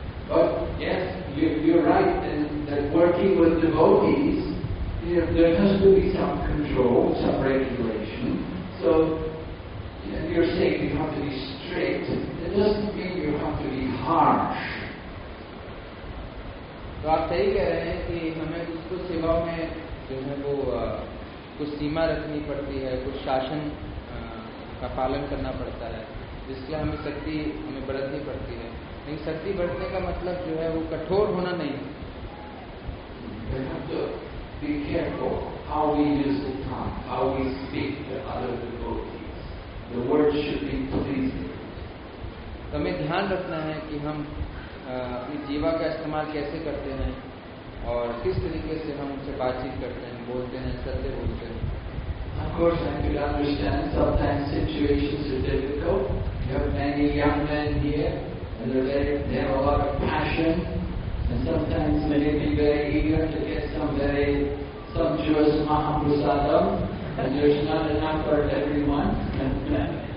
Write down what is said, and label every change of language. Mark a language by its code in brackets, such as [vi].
[en] But yes, you're right in that working with devotees, there has to be some control, some regulation. So you're saying you have to be strict. It doesn't mean you have to be harsh. [hi] तो आप सही कह रहे हैं कि हमें उसको सेवाओं में जो है वो कुछ सीमा रखनी पड़ती है कुछ शासन का पालन करना पड़ता है जिसके हमें शक्ति हमें बढ़नी पड़ती है लेकिन शक्ति बढ़ने का मतलब जो है वो कठोर होना नहीं हमें ध्यान रखना है कि हम अपनी जीवा का इस्तेमाल कैसे करते हैं और किस तरीके से हम उनसे बातचीत करते हैं बोलते हैं सत्य बोलते हैं [en] Of course, I could understand sometimes situations are difficult. You have many young men here, and they have a lot of passion, and sometimes they may be very eager to get some Jewish Mahaprasadam, and there's not enough for everyone.